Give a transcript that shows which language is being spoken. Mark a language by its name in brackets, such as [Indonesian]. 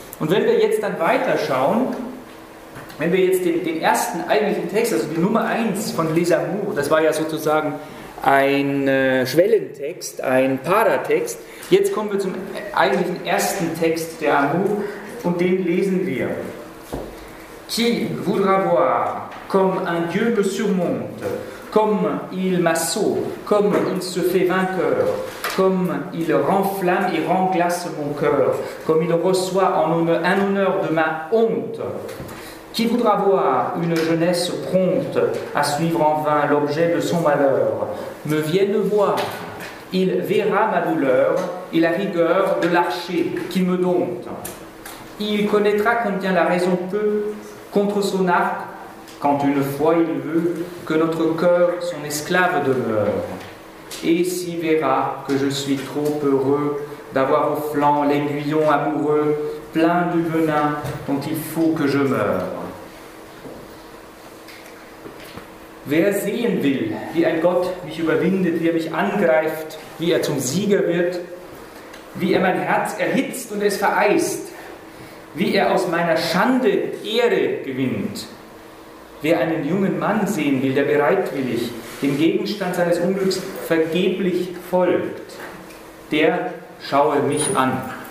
[German] Und wenn wir jetzt dann weiterschauen, wenn wir jetzt den ersten eigentlichen Text, also die Nummer 1 von Les Amours, das war ja sozusagen ein Schwellentext, ein Paratext, jetzt kommen wir zum eigentlichen ersten Text der Amour und den lesen wir. [French] Qui voudra voir comme un dieu me surmonte, comme il m'assaut, comme il se fait vainqueur, comme il renflamme et renglace mon cœur, comme il reçoit en honneur, un honneur de ma honte. Qui voudra voir une jeunesse prompte à suivre en vain l'objet de son malheur, me vienne voir, il verra ma douleur et la rigueur de l'archer qui me dompte. Il connaîtra combien la raison peut contre son arc, quand une fois il veut que notre cœur son esclave demeure, et s'y verra que je suis trop heureux d'avoir au flanc l'aiguillon amoureux plein du venin dont il faut que je meure. [German] Wer sehen will, wie ein Gott mich überwindet, wie er mich angreift, wie er zum Sieger wird, wie er mein Herz erhitzt und es vereist, wie er aus meiner Schande Ehre gewinnt. Wer einen jungen Mann sehen will, der bereitwillig dem Gegenstand seines Unglücks vergeblich folgt, der schaue mich an.